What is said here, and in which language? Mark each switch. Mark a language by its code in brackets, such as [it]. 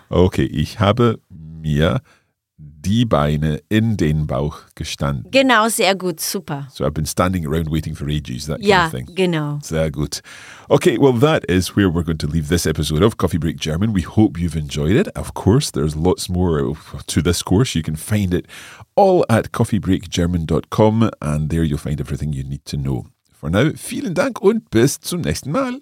[de] Okay, ich habe mir die Beine in den Bauch gestanden. Genau, sehr gut, super. [en] So I've been standing around waiting for ages, that kind of thing. [de] Ja, genau. Sehr gut. [en] Okay, well, that is where we're going to leave this episode of Coffee Break German. We hope you've enjoyed it. Of course, there's lots more to this course. You can find it all at coffeebreakgerman.com, and there you'll find everything you need to know. For now, [de] vielen Dank und bis zum nächsten Mal.